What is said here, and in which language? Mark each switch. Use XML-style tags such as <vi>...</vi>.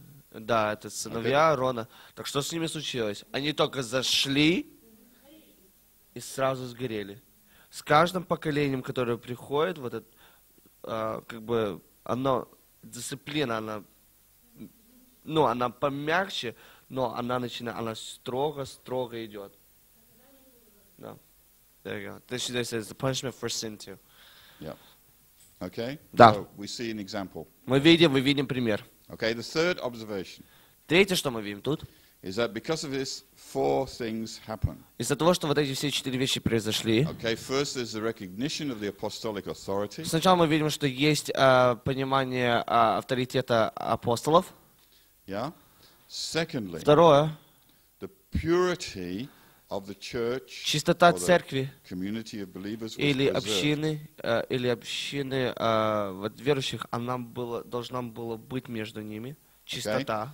<ru>Да, это сыновья Аарона. Так что с ними случилось? Они только зашли и сразу сгорели. С каждым поколением, которое приходит, вот это, как бы, оно, дисциплина, она, ну, она помягче, но она начинает, она строго-строго идет. Да.</ru> <en>There you go. Then she says, the punishment for sin too. Yeah. Okay.</en> <ru>Да.</ru> <en>So we see an example.</en> <ru>Мы видим пример.</ru> <en>Okay, the third observation.</en> <ru>Третье, что мы видим тут.</ru> <en>Is that because of this four things happen?</en> <ru>Из-за того, что вот эти все четыре вещи произошли.</ru> <en>Okay, first is the recognition of the apostolic authority.</en> <ru>Сначала мы видим, что есть понимание авторитета апостолов.</ru> <en>Yeah. Secondly.</en> <ru>Второе.</ru> <en>The purity of the church.</en> <ru>Чистота церкви.</ru> <en>Community of believers.</en> <ru>Или общины, вот верующих, она была, должна была быть между ними чистота.</ru>